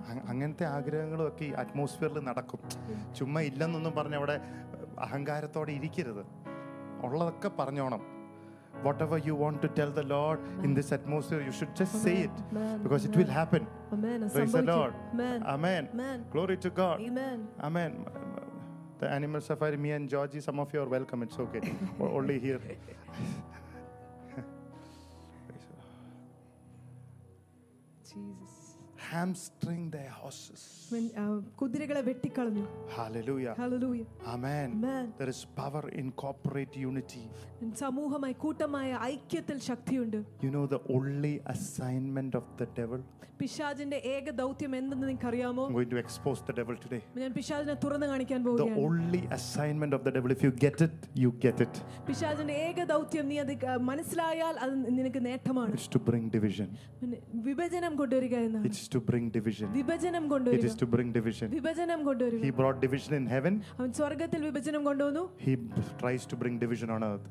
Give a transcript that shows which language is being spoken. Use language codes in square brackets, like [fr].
[ml] അങ്ങനത്തെ ആഗ്രഹങ്ങളൊക്കെ ഈ അറ്റ്മോസ്ഫിയറിൽ നടക്കും. ചുമ്മാ ഇല്ലെന്നൊന്നും പറഞ്ഞ് അവിടെ അഹങ്കാരത്തോടെ ഇരിക്കരുത്. ഉള്ളതൊക്കെ പറഞ്ഞോണം. [en] Whatever you want to tell the Lord in this atmosphere, you should just say it, because it will happen. Amen. Praise the Lord. Amen. Amen. Amen. Glory to God. Amen. Amen. The animal safari, me and Georgie, some of you are welcome. It's okay. Only here. Jesus. hamstring their horses. Hallelujah. Hallelujah. Amen. Amen. There is power in corporate unity. [ml] സമൂഹമായി കൂട്ടമായ ഐക്യത്തിൽ ശക്തിയുണ്ട്. [en] You know the only assignment of the devil? [ml] പിശാചിന്റെ ഏക ദൗത്യം എന്തെന്ന് നിങ്ങൾക്ക് അറിയാമോ? [en] I'm going to expose the devil today. [ml] ഞാൻ പിശാചിനെ തുറന്നു കാണിക്കാൻ പോവുകയാണ്. [en] The only assignment of the devil, if you get it, you get it. [ml] പിശാചിന്റെ ഏക ദൗത്യം നീ അത് മനസ്സിലായാൽ അത് നിനക്ക് നേട്ടമാണ്. [en] It's to bring division. [ml] വിഭജനം കൊണ്ടുവരിക എന്നാണ്. [en] It's to bring division. [ml] വിഭജനം കൊണ്ടുവരിക. [en] To bring division. [ml] വിഭജനം കൊണ്ടുവരിക. [en] He brought division in heaven. [ml] അവൻ സ്വർഗ്ഗത്തിൽ വിഭജനം കൊണ്ടുവന്നു. [en] He tries to bring division on earth.